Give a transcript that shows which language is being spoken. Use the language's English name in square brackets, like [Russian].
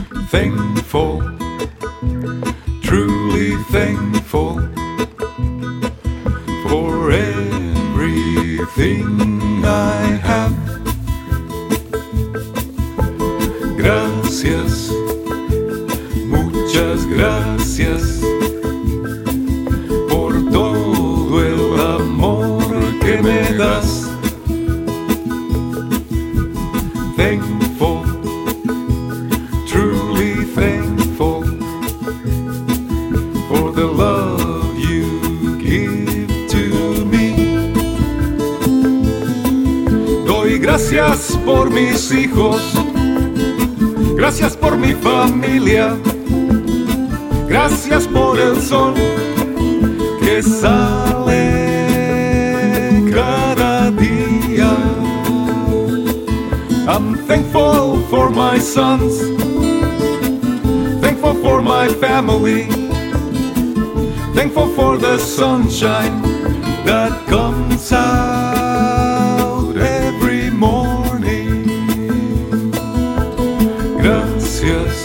[English] Thankful, truly thankful for everything I have. [Spanish] Gracias. Gracias por todo el amor que me das. [English] Thankful, truly thankful for the love you give to me. [Spanish] Doy gracias por mis hijos, gracias por mi familia. Gracias por el sol que sale cada día. [English] I'm thankful for my sons, thankful for my family, thankful for the sunshine that comes out every morning. [Spanish] Gracias.